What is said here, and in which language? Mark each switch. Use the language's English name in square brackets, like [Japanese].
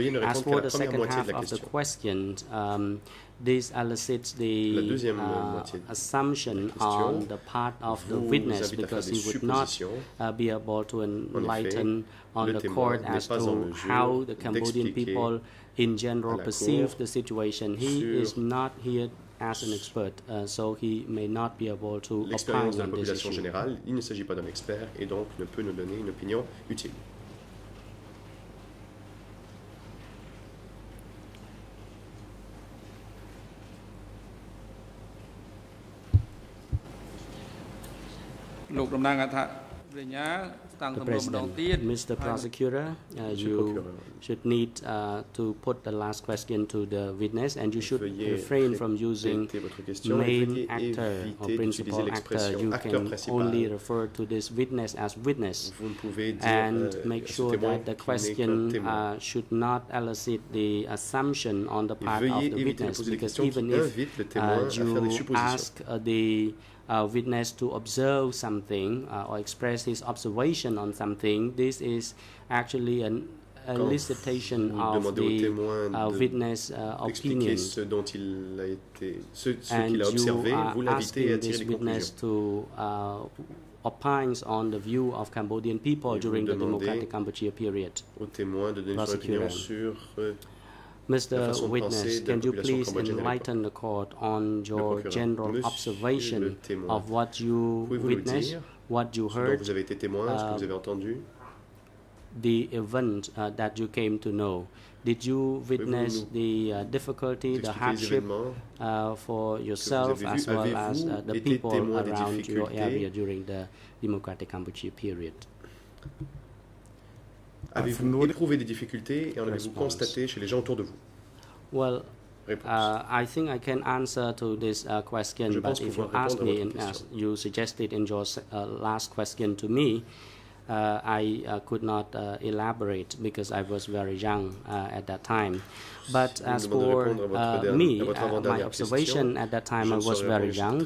[English] As for the second half of the question, this elicits the assumption on the part of the witness because he would not be able to enlighten on the court as to how the Cambodian people in general perceive the situation. He is not here as an expert, so he may not be able to opine on this issue. [French] Générale, il ne s'agit pas d'un expert et donc ne peut nous donner une opinion utile. [English] The President, Mr. Prosecutor, you should need to put the last question to the witness, and you should refrain from using main actor or principal actor. You can only refer to this witness as witness, and make sure that the question should not elicit the assumption on the part of the witness, because even if you ask the witness to observe something or express his observation on something, this is actually an elicitation of the witness opinion. [French] Ce dont il a été, ce qu'il a observé, vous l'invitez à tirer les conclusions. [English] And this witness to opines on the view of Cambodian people during the Democratic Cambodia period. [French] Au témoin de donner son opinion sur [English] Mr. Witness, can you please enlighten the court on your general observation of what you witnessed, what you heard, the event that you came to know? Did you witness the difficulty, the hardship for yourself as well as the people around your area during the Democratic Cambodia period? [French] Avez-vous éprouvé des difficultés et en avez-vous constaté chez les gens autour de vous? [English] Well, I think I can answer to this question, but if you ask me, as you suggested in your last question to me, I could not elaborate because I was very young at that time. But as for me, my observation at that time, I was very young.